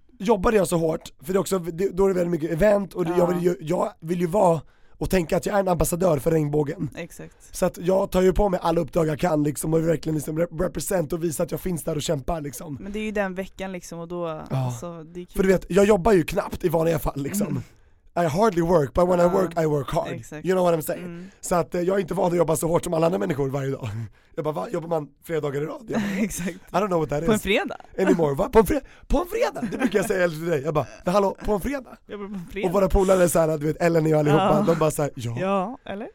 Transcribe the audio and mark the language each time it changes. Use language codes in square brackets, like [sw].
[sv] Jobbade jag så hårt, för det är också, då är det väldigt mycket event och jag vill ju vara och tänka att jag är en ambassadör för regnbågen. Exakt. Så att jag tar ju på mig alla uppdrag jag kan liksom, och verkligen liksom represent och visa att jag finns där och kämpar. Liksom. Men det är ju den veckan liksom, och då... Ja. Alltså, det är kul. För du vet, jag jobbar ju knappt i vanliga fall. Liksom. [en] I hardly work, but when I work hard. [sv] Exakt. [en] You know what I'm saying? Mm. [sv] Så att, jag är inte van att jobba så hårt som alla andra människor varje dag. Jag bara, jobbar man fredagar i rad? Bara, exakt. [en] I don't know what that is. [sv] På en fredag? Anymore, va? På en fredag? Det brukar jag säga till dig. Jag bara, men hallå, på en fredag? Jag bara, på en fredag. Och våra polare är så här, du vet, Ellen och allihopa. De bara så här, ja. Ja, eller?